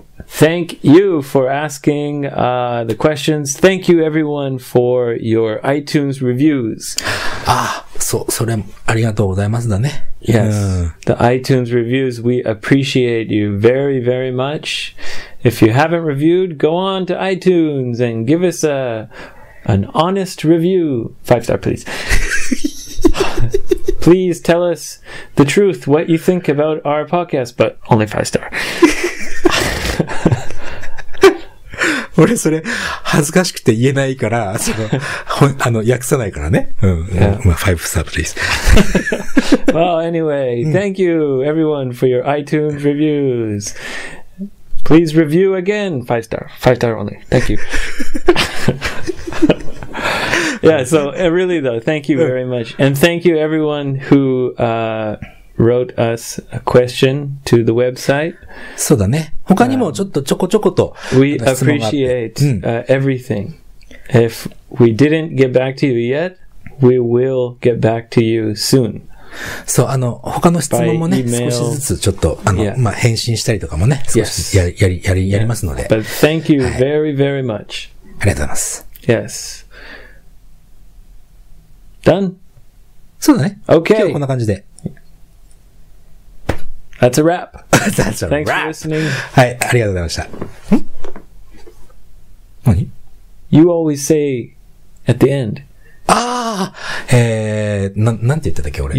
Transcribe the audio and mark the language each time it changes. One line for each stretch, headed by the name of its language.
English: Thank you for asking, the questions. Thank you everyone for your iTunes reviews.
Japanese: Ah, so, それありがとうございますだね。
English: Yes. The iTunes reviews, we appreciate you very, very much. If you haven't reviewed, go on to iTunes and give us an honest review. 5-star, please. Please tell us the truth, what you think about our podcast, but only 5-star.
Japanese: 俺それ恥ずかしくて言えないからそのあの訳さないからね。うん。Yeah.
English: まあ5 star please。 Well anyway, thank you everyone for your iTunes reviews. Please review again 5-star. 5-star only. Thank you. Yeah, so really though, thank you very much. And thank you everyone who wrote us a question to the website.
Japanese: そうだね。他にもちょっとちょこちょこと。
English: We appreciate、everything. If we didn't get back to you yet, we will get back to you soon.
Japanese: そう、あの、他の質問もね、少しずつちょっと、あの、まあ、返信したりとかもね、少しやりますので。
English: But thank you very, very much.
Japanese: ありがとうございます。
English: Yes. Done?
Japanese: そうだね。
English: Okay.
Japanese: 今日はこんな感じで。
English: That's a wrap. That's a Thanks wrap. Thanks for listening.
Japanese: はい、ありがとうございました。ん？何？
English: You always say at the end.
Japanese: ああ、なんて言ってたっけ俺。